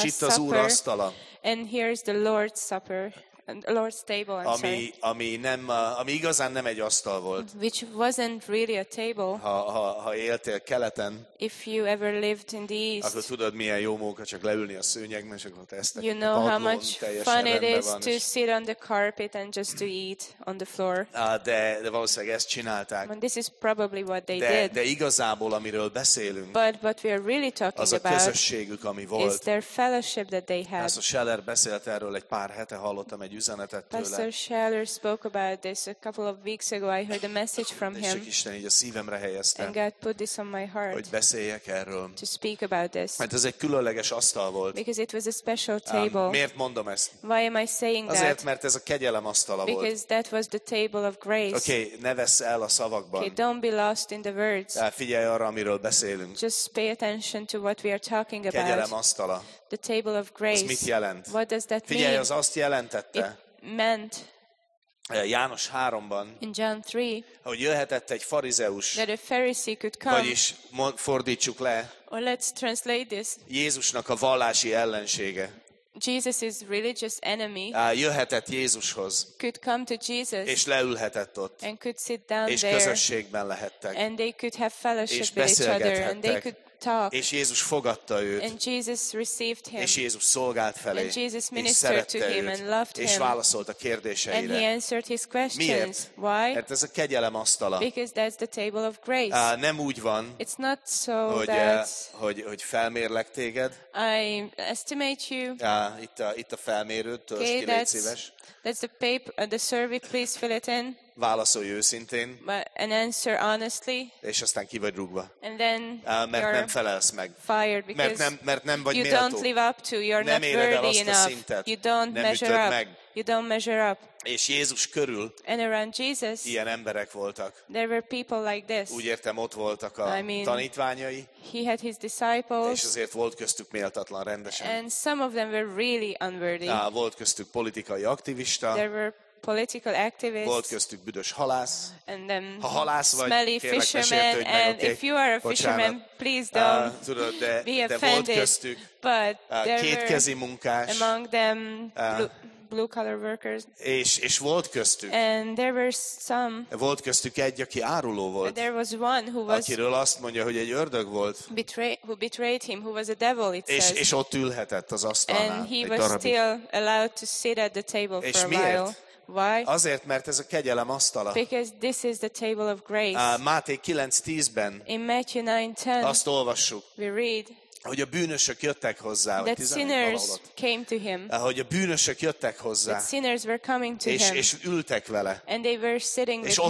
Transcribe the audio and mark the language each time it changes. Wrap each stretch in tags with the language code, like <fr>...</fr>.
<hu>supper. És itt az Úr asztala.</hu> <en>And here is the Lord's Supper. Lord's table, I'm</en> <hu>ami</hu> <en>sorry.</en> <hu>ami igazán nem egy asztal volt.</hu> <en>Which wasn't really a table.</en> <hu>Ha éltél keleten.</hu> <en>If you ever lived in the east.</en> <hu>Akkor tudod, milyen jó móka csak leülni a szőnyegben, és akkor tesztek.</hu> <en>You know how much fun it is to sit on the carpet and just to eat on the floor.</en> <hu>De valószínűleg ezt csinálták.</hu> <en>This is probably what they did.</en> <hu>De igazából amiről beszélünk.</hu> <en>But what we are really talking</en> <hu>az a közösségük, ami volt.</hu> <en>Is their fellowship that they had.</en> <hu>Pastor Scheller beszélt erről egy pár hete, hallottam egy üzenetet tőle.</hu> <en>Pastor Scheller spoke about this a couple of weeks ago. I heard a message from him.</en> <hu>És Isten így a szívemre helyezte.</hu> <en>And God put this on my heart.</en> <hu>Hogy beszéljek erről.</hu> <en>To speak about this.</en> <hu>Mert ez egy különleges asztal volt.</hu> <en>Because it was a special table.</en> <hu>Miért mondom ezt?</hu> <en>Why am I saying</en> <hu>azért,</hu> <en>that?</en> <hu>Mert ez a kegyelem asztala</hu> <en>because</en> <hu>volt.</hu> <en>Because that was the table of grace.</en> <hu>Okay, ne vesz el a szavakban.</hu> <en>Okay, don't be lost in the words.</en> <hu>Figyelj arra, amiről beszélünk.</hu> <en>Just pay attention to what we are talking about.</en> <hu>Kegyelem asztala.</hu> <en>The table of grace.</en> <hu>Ez mit jelent?</hu> <en>What does that</en> <hu>figyelj,</hu> <en>mean?</en> <hu>Az azt jelentette.</hu> <en>It meant.</en> <hu>János 3-ban.</hu> <en>In John 3.</en> <hu>Hogy jöhetett egy farizeus.</hu> <en>That a Pharisee could come.</en> <hu>Vagyis fordítsuk le.</hu> <en>Or let's translate this.</en> <hu>Jézusnak a vallási ellensége.</hu> <en>Jesus's religious enemy.</en> <hu>Jöhetett Jézushoz.</hu> <en>Could come to Jesus.</en> <hu>És leülhetett ott.</hu> <en>And could sit down</en> <hu>és</hu> <en>there.</en> <hu>És közösségben lehettek.</hu> <en>And they could have fellowship with each other. And they could talk.</en> <hu>És Jézus fogadta őt.</hu> <en>And Jesus received him.</en> <hu>És Jézus szolgált felé.</hu> <en>And Jesus ministered to him and loved him.</en> <hu>És válaszolt a kérdéseire.</hu> <en>And he answered his questions.</en> <hu>Miért?</hu> <en>Why?</en> <hu>Mert ez a kegyelem asztala.</hu> <en>Because that's the table of grace.</en> <hu>Nem úgy van.</hu> <en>It's not so</en> <hu>hogy felmérlek téged.</hu> <en>I estimate you.</en> <hu>Itt a felmérőtől, okay, légy szíves.</hu> <en>That's the paper, the survey, please fill it in.</en> <hu>Válaszolj őszintén.</hu> <en>And answer honestly.</en> <hu>És aztán ki vagy rúgva.</hu> <en>And then</en> <hu>mert nem felelsz meg.</hu> <en>Fired because</en> <hu>mert nem vagy</hu> <en>you</en> <hu>méltó.</hu> <en>Don't live up to, you're</en> <hu>nem</hu> <en>not worthy enough. You don't</en> <hu>nem</hu> <en>measure</en> <hu>ütöd</hu> <en>up.</en> <hu>Meg.</hu> <en>You don't measure up.</en> <hu>És Jézus körül</hu> <en>and around Jesus,</en> <hu>ilyen emberek voltak.</hu> <en>There were people like this.</en> <hu>Úgy értem, ott voltak a</hu> <en>I mean,</en> <hu>tanítványai.</hu> <en>He had his disciples.</en> <hu>És azért volt köztük méltatlan rendesen.</hu> <en>And some of them were really unworthy.</en> <hu>Volt köztük politikai aktivista.</hu> <en>There were political activists.</en> <hu>Volt köztük büdös halász.</hu> <en>And then</en> <hu>ha halász vagy,</hu> <en>smelly fishermen. And okay, if you are a fisherman, please don't</en> <hu>tudod, de,</hu> <en>be offended.</en> <hu>De volt köztük</hu> <en>but there</en> <hu>kétkezi munkás.</hu> <en>Among them blue collar workers.</en> <hu>És volt köztük.</hu> <en>And there were some.</en> <hu>Volt köztük egy, aki áruló volt.</hu> <en>There was one who was.</en> <hu>Akiről azt mondja, hogy egy ördög volt.</hu> <en>Who betrayed him, who was a devil, it says.</en> <hu>És ott ülhetett az asztalnál.</hu> <en>And he was still allowed to sit at the table for a while. Why?</en> <hu>Azért, mert ez a kegyelem asztala.</hu> <en>Because this is the table of grace.</en> <hu>Máté 9:10-ben.</hu> <en>In Matthew 9:10.</en> <hu>Azt olvassuk.</hu> <en>We read.</en> <hu>Hogy a bűnösök jöttek hozzá, vagy</hu> <en>15 him,</en> <hu>hogy a bűnösök jöttek hozzá, és ültek vele, és ott</hu>